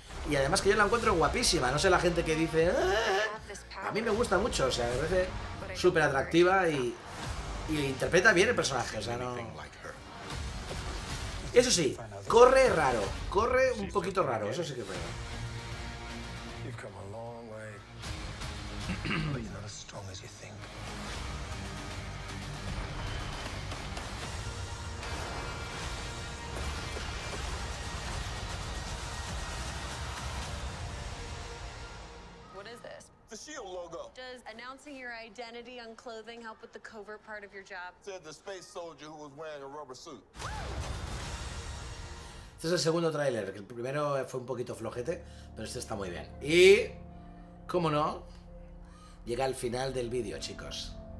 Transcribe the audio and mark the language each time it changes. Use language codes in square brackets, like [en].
[es] Y además que yo la encuentro guapísima. No sé la gente que dice... ¡Ah! A mí me gusta mucho, o sea, me parece súper atractiva y interpreta bien el personaje, o sea, no... Eso sí, corre raro, corre un poquito raro, eso sí que es raro. [en] You've come a long way. But you're not as strong as you think. What is this? The SHIELD logo. Does announcing your identity on clothing help with the covert part of your job? Said the space soldier who was wearing a rubber suit. [es] Este es el segundo tráiler, el primero fue un poquito flojete, pero este está muy bien. Y, cómo no, llega al final del vídeo, chicos.